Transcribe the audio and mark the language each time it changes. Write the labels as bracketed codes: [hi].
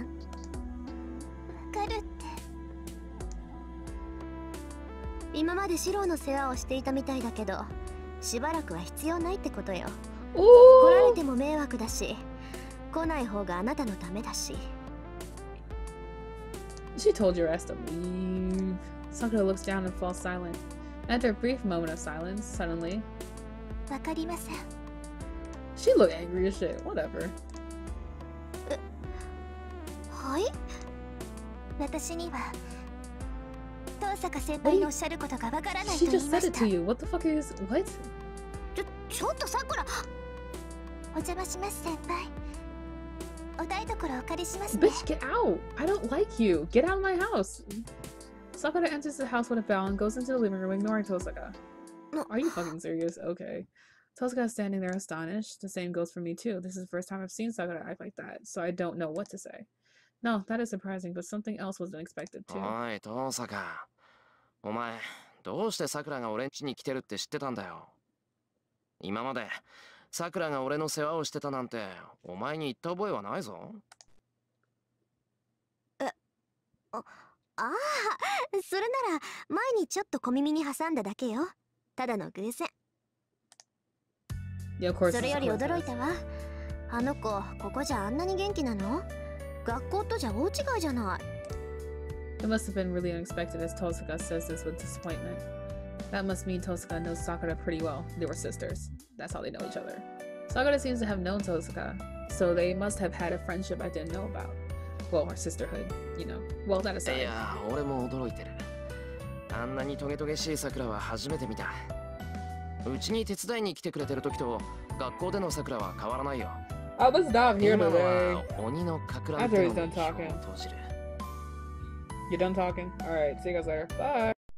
[ja] わかるって。今までシローの世話をしていたみたいだけど、しばらくは必要ないってことよ。来られても迷惑だし、来ない方があなたのためだし。 [en] She told your ass to leave. Sakura looks down and falls silent. After a brief moment of silence, suddenly. [ja] わかりません。 [en] She looked angry as shit. Whatever. [ja] はい。私には。遠坂先輩のおっしゃることがわからないと言いました。 [en] She just said it to you. What the fuck is what? [ja] ちょっとさくら。お邪魔します先輩。お台所をお借りしますね。 [en] Bitch, get out! I don't like you. Get out of my house. Sakura enters the house with a bow and goes into the living room, ignoring Tosuka. Are you fucking serious? Okay. Tosuka is standing there astonished. The same goes for me too. This is the first time I've seen Sakura act like that, so I don't know what to say. No, that is surprising, but something else was unexpected too. [ja] おい、トーサカ。お前、どうしてサクラが俺ん家に来てるって知ってたんだよ。今までサクラが俺の世話をしてたなんて、お前に言った覚えはないぞ。ああ、それなら前にちょっと小耳に挟んだだけよ。ただの偶然。 [en] Yeah, [ja] それより驚いたわ。あの子、ここじゃあんなに元気なの？学校とじゃ大違いじゃない。 [en] It must have been really unexpected as Tosuka says this with disappointment. That must mean Tosuka knows Sakura pretty well. They were sisters. That's how they know each other. Sakura seems to have known Tosuka, so they must have had a friendship I didn't know about. Well, or sisterhood, you know. Well, that aside. [ja] いや、俺も驚いてる。あんなにトゲトゲしい桜は初めて見た。うちに手伝いに来てくれてる時と学校での桜は変わらないよ。 [en] I was not here today. After he's done talking. You're done talking? Alright, see you guys later. Bye!